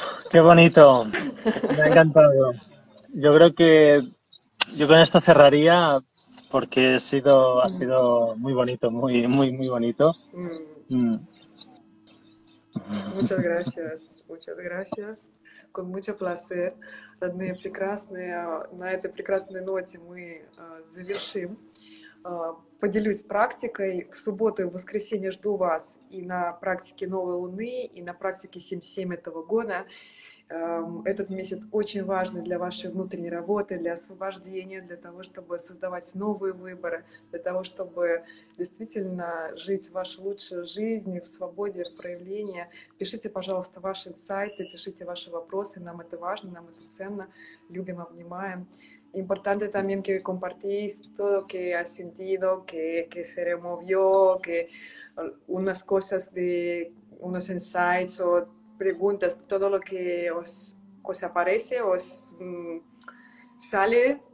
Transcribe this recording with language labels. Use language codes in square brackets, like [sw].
[es] Qué bonito. Me ha encantado. Yo creo que yo con esto cerraría, porque ha sido muy bonito, muy, muy, muy bonito. Muchas gracias, muchas gracias. Con mucho placer. [ru] Родные прекрасные, на этой прекрасной ноте мы завершим. Поделюсь практикой. В субботу и в воскресенье жду вас и на практике Новой Луны, и на практике 7-7 этого года. Этот месяц очень важный для вашей внутренней работы, для освобождения, для того, чтобы создавать новые выборы, для того, чтобы действительно жить вашу лучшую жизнь в свободе, в проявлении. Пишите, пожалуйста, ваши инсайты, пишите ваши вопросы. Нам это важно, нам это ценно. Любим, обнимаем. [es] Importante también que compartís todo que has sentido, que se removió, que unas cosas de unos insights o preguntas, todo lo que os aparece, os sale,